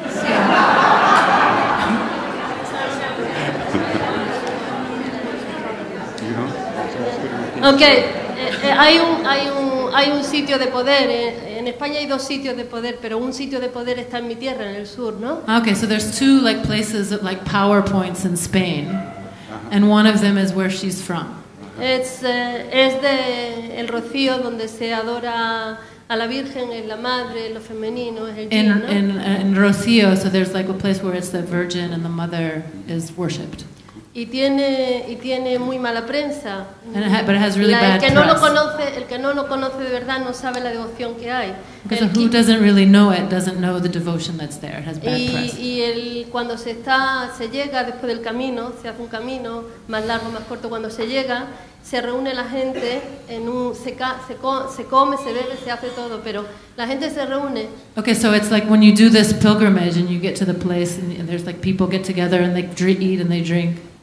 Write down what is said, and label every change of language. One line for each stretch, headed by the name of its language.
Spanish: Sí. Okay. Hay un sitio de poder. En España hay dos sitios de poder, pero un sitio de poder está en mi tierra, en el sur, ¿no?
English: Okay, so there's two like places that, like power points in Spain, and one of them is where she's from.
Spanish: Es de el Rocío, donde se adora a la Virgen, es la madre, lo femenino, es el yin, ¿no?
English: In Rocío, so there's like a place where it's the Virgin and the Mother is worshipped.
Spanish: Y tiene muy mala prensa.
English: But it has really bad press.
Spanish: El que no lo conoce de verdad no sabe la devoción que hay.
English: Because who doesn't really know it doesn't know the devotion that's there. It has bad press.
Spanish: Y cuando se llega después del camino, se hace un camino más largo, más corto. Cuando se llega, se reúne la gente en un se come, se bebe, se hace todo, pero la gente se reúne.
English: Okay, so it's like when you do this pilgrimage and you get to the place and there's like people get together and they eat and they drink.